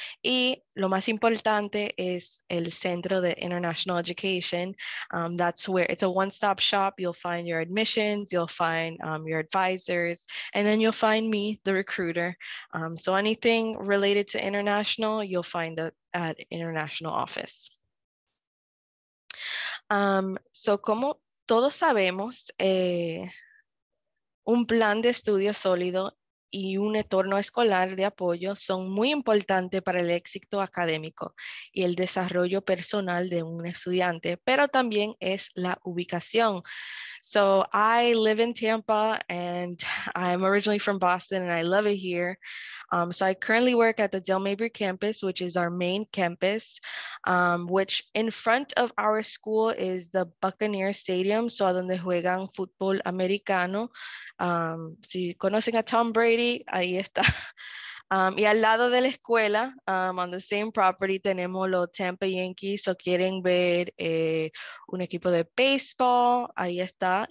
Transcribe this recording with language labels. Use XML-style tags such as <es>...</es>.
<es>Y lo más importante es el Centro de International Education.</es> <en>That's where it's a one-stop shop. You'll find your admissions, you'll find your advisors, and then you'll find me, the recruiter. So anything related to international, you'll find it at International Office.</en> <es>So como todos sabemos, un plan de estudio sólido y un entorno escolar de apoyo son muy importantes para el éxito académico y el desarrollo personal de un estudiante, pero también es la ubicación.</es> <en>So I live in Tampa and I'm originally from Boston and I love it here. So I currently work at the Del Mabry campus, which is our main campus, which in front of our school is the Buccaneer Stadium.</en> <es>So donde juegan fútbol americano. Si conocen a Tom Brady, ahí está. Y al lado de la escuela,</es> <en>on the same property,</en> <es>tenemos los Tampa Yankees. So quieren ver un equipo de baseball, ahí está.</es>